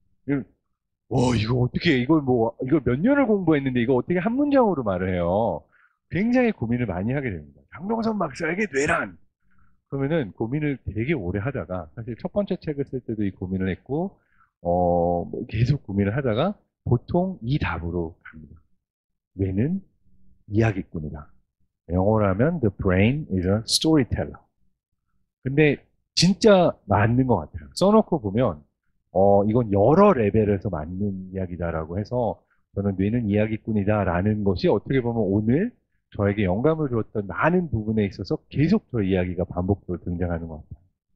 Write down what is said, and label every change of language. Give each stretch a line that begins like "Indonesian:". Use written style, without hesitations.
Korean: 이거 어떻게, 이걸 뭐, 이걸 몇 년을 공부했는데 이거 어떻게 한 문장으로 말을 해요? 굉장히 고민을 많이 하게 됩니다. 장동선 박사에게 뇌란! 그러면은 고민을 되게 오래 하다가, 사실 첫 번째 책을 쓸 때도 이 고민을 했고, 계속 고민을 하다가 보통 이 답으로 갑니다. 뇌는 이야기꾼이다. 영어라면
English: The brain is a storyteller.
Korean: 근데 진짜 맞는 것 같아요. 써놓고 보면, 이건 여러 레벨에서 맞는 이야기다라고 해서, 저는 뇌는 이야기꾼이다라는 것이 어떻게 보면 오늘 저에게 영감을 주었던 많은 부분에 있어서 계속 저 이야기가 반복적으로 등장하는 것 같아요.